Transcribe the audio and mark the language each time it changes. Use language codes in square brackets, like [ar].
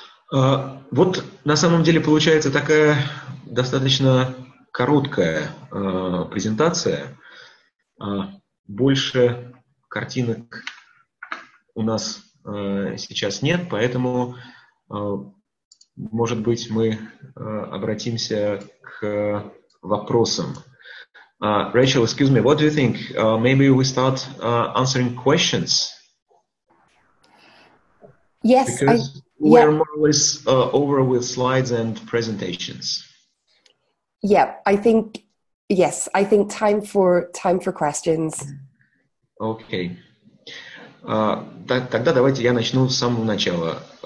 [ru] Вот на самом деле получается такая достаточно короткая презентация, больше картинок у нас сейчас нет, поэтому, может быть, мы обратимся к вопросам. [en] Rachel, excuse me, what do you think? Maybe we start answering questions? Yes. Because we're more or less over with slides and presentations. Yeah, I think, yes, I think time for questions. Okay. [ru] Тогда давайте я начну с самого начала.